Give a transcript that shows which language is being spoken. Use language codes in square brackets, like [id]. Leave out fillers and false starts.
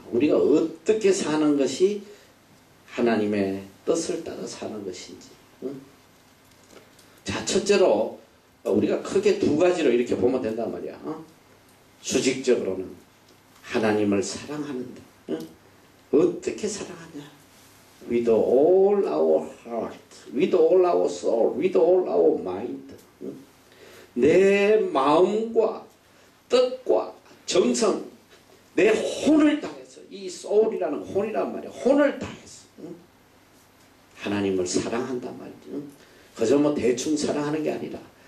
[ko] 우리가 어떻게 사는 것이 하나님의 뜻을 따라 사는 것인지. 자, 첫째로 우리가 크게 두 가지로 이렇게 보면 된단 말이야. 수직적으로는 하나님을 사랑하는데 어떻게 사랑하냐? [en] With all our heart, with all our soul, with all our mind. [ko] 내 마음과 뜻과 정성, 내 혼을 다해서 이 soul이라는 혼이란 말이야. 혼을 다해서. 하나님을 사랑한단 말이죠. 그저 뭐 대충 사랑하는 게 아니라.